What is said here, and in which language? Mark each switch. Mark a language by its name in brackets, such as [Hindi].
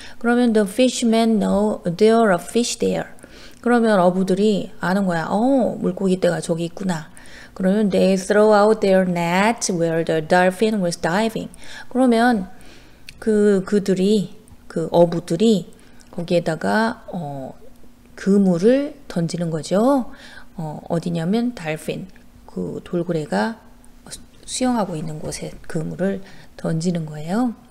[English] 그러면 the fishermen know there are fish there. [Korean] 그러면 어부들이 아는 거야. 물고기떼가 저기 있구나. [English] 그러면 they throw out their net where the dolphin was diving. [Korean] 그러면 그 어부들이 거기에다가 그물을 던지는 거죠. 어디냐면 dolphin 그 돌고래가 수영하고 있는 곳에 그물을 던지는 거예요.